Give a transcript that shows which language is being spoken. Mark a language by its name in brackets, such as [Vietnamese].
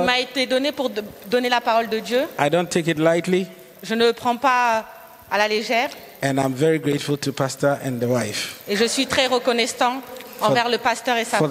[French] Qui m'a été donné pour donner la parole de Dieu. [English] I don't take it lightly. [French] Je ne le prends pas à la légère. [English] And I'm very grateful to Pastor and the wife. [French] Et je suis très reconnaissant envers le pasteur et sa femme.